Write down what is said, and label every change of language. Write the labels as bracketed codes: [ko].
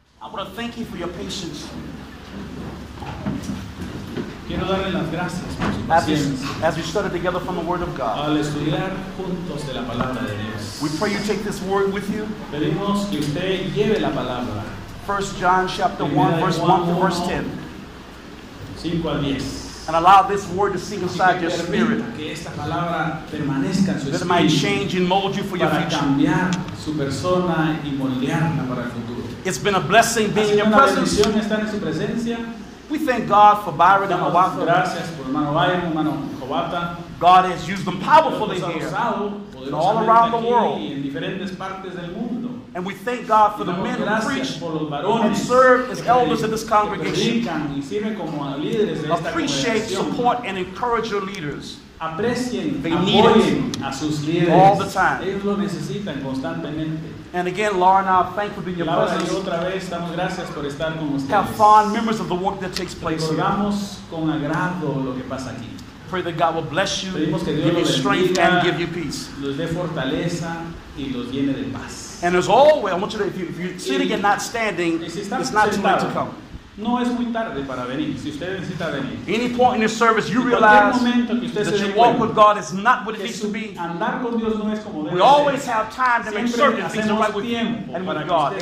[en] I want to thank you for your patience. [es] Quiero darle las gracias por su [en] as we study together from the Word of God. [es] Al estudiar juntos de la palabra de Dios. [en] We pray you take this word with you. [es] Pedimos que usted lleve la palabra. [en] 1 John chapter 1, verse 1 to verse 10. [es] 5 al 10. [en] And allow this word to sink inside your spirit. [es] Que esta palabra permanezca en su espíritu. [en] That it might change and mold you for your future. [es] Para cambiar su persona y moldearla para el futuro. [en] It's been a blessing being in your presence. [es] Ha sido una bendición estar en su presencia. [en] We thank God for Byron and Hawata. [es] Gracias por hermano Byron, hermano Hawata. [en] God has used them powerfully here and all around the world. [es] En diferentes partes del mundo. [en] And we thank God for the men who preach and serve as elders in this congregation. Appreciate, support, and encourage your leaders. They need it [es] a sus líderes [en] all the time. [es] Ellos lo necesitan constantemente. [en] And again, Laura and I are thankful to be your presence. [es] Otra vez, damos gracias por estar con ustedes. [en] Have fond memories of the work that takes place here. [es] Recordamos con agrado lo que pasa aquí. [en] Pray that God will bless you, give you strength, and give you peace. [es] Los dé fortaleza y los llene de paz. [en] And as always, I want you to, if you're sitting and not standing, it's not too late to come. [es] No es muy tarde para venir, si usted necesita venir. [en] Any point in your service, you realize that your walk with God is not what it needs to be. [es] Andar con Dios no es como debe [en] we always have time to make certain things are right with you and with God.